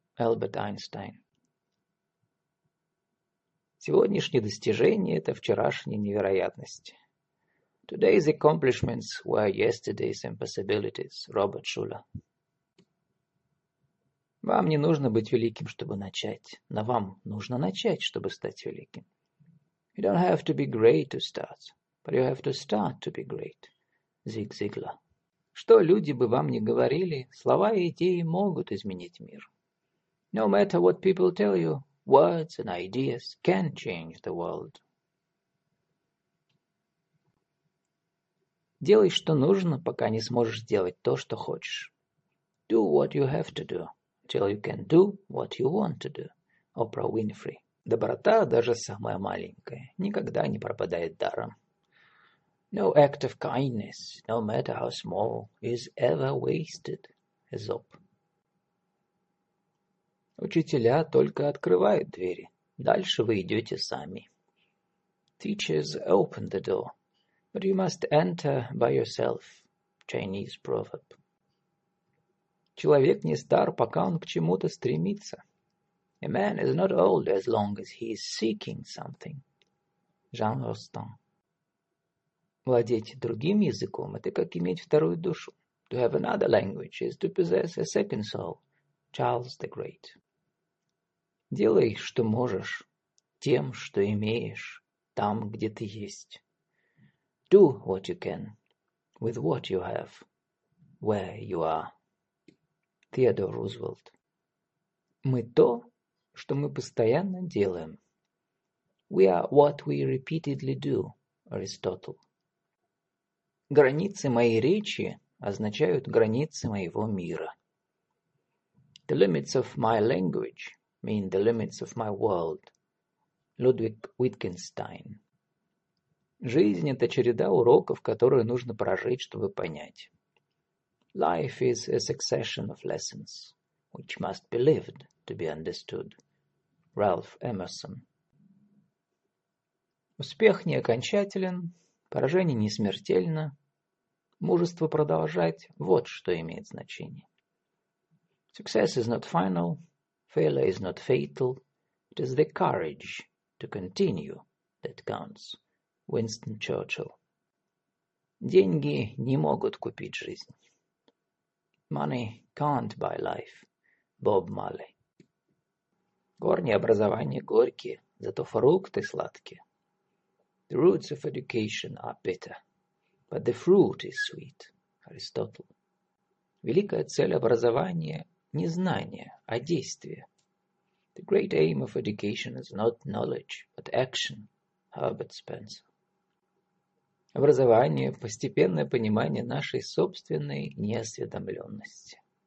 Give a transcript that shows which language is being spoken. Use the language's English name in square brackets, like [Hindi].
[English] Albert Einstein. [Russian] Сегодняшние достижения – это вчерашние невероятности. [English] Today's accomplishments were yesterday's impossibilities. Robert Schuller. [Russian] Вам не нужно быть великим, чтобы начать. Но вам нужно начать, чтобы стать великим. [English] You don't have to be great to start. But you have to start to be great. [Russian] Зиг Зиглер. Что люди бы вам ни говорили, слова и идеи могут изменить мир. [English] No matter what people tell you, words and ideas can change the world. [Russian] Делай, что нужно, пока не сможешь сделать то, что хочешь. [English] Do what you have to do, till you can do what you want to do. Oprah Winfrey. [Russian] Доброта, даже самая маленькая, никогда не пропадает даром. [English] No act of kindness, no matter how small, is ever wasted. [Russian] Эзоп. Учителя только открывают двери. Дальше вы идете сами. [English] Teachers open the door, but you must enter by yourself. Chinese proverb. [Russian] Человек не стар, пока он к чему-то стремится. [English] A man is not old as long as he is seeking something. [Russian] Жан Ростан. Владеть другим языком – это как иметь вторую душу. [English] To have another language is to possess a second soul. Charles the Great. [Russian] Делай, что можешь, тем, что имеешь, там, где ты есть. [English] Do what you can, with what you have, where you are. Theodore Roosevelt. [Russian] Мы то, что мы постоянно делаем. [English] We are what we repeatedly do. [Russian] Аристотель. Границы моей речи означают границы моего мира. [English] The limits of my language mean the limits of my world. Людвиг Витгенштейн. [Russian] Жизнь — это череда уроков, которые нужно прожить, чтобы понять. [English] Life is a succession of lessons, which must be lived to be understood. Ralph Emerson. [Russian] Успех не окончателен, поражение не смертельно. Мужество продолжать — вот что имеет значение. [English] Success is not final, failure is not fatal. It is the courage to continue that counts. [Russian] Уинстон Чёрчилл. Деньги не могут купить жизнь. [English] Money can't buy life. Боб Марли. [Russian] Корни образования горькие, зато фрукты сладкие. [English] The roots of education are bitter, but the fruit is sweet. [Russian] Аристотель. Великая цель образования – не знание, а действие. [English] The great aim of education is not knowledge, but action. Herbert Spencer. [Russian] Образование – постепенное понимание нашей собственной неосведомленности.